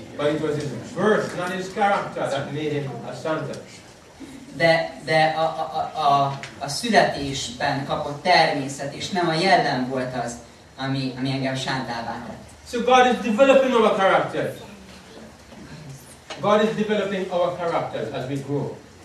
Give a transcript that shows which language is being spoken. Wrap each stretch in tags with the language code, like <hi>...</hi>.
<en>But it was his birth, not his character, that made him a Santa.</en> <hu>De a születésben kapott természet, és nem a jellem volt az, ami engem Santává tett.</hu> <en>So God is developing our characters. God is developing our characters as we grow.</en>